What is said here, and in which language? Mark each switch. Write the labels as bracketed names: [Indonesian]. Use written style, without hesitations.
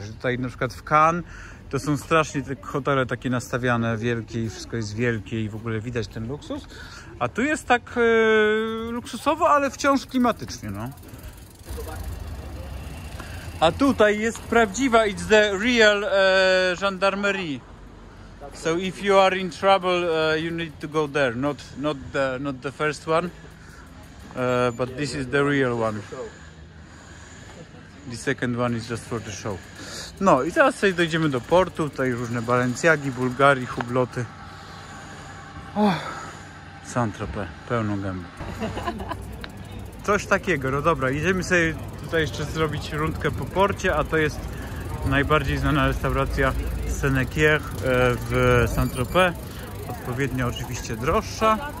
[Polish] Że tutaj na przykład w Cannes to są strasznie te hotele takie nastawiane, wielkie i wszystko jest wielkie i w ogóle widać ten luksus. A tu jest tak luksusowo, ale wciąż klimatycznie, no. A tutaj jest prawdziwa, [English] it's the real gendarmerie. So if you are in trouble, you need to go there. Not the first one, but this is the real one. The second one is just for the show. [Polish] No i teraz sobie dojdziemy do portu. Tutaj różne Balenciagi, Bulgari, Hubloty. Oh, Saint-Tropez, pełną gębę. Coś takiego, no dobra. Idziemy sobie tutaj jeszcze zrobić rundkę po porcie, a to jest najbardziej znana restauracja Sénéquier w Saint-Tropez, odpowiednio oczywiście droższa.